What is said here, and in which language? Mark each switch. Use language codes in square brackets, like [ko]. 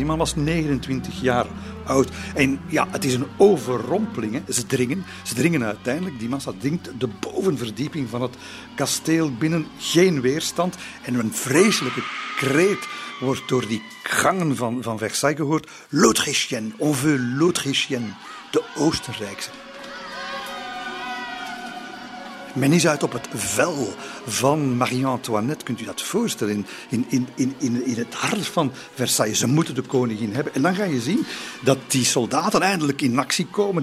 [nl] Die man was 29 jaar oud. En het is een overrompeling. Hè. Ze dringen uiteindelijk. Die massa dringt de bovenverdieping van het kasteel binnen. Geen weerstand. En een vreselijke kreet wordt door die gangen van Versailles gehoord. [fr] L'Autrichienne, on veut l'Autrichienne. [nl] De Oostenrijkse. Men is uit op het vel van Marie-Antoinette. Kunt u dat voorstellen? In het hart van Versailles. Ze moeten de koningin hebben. En dan ga je zien dat die soldaten eindelijk in actie komen.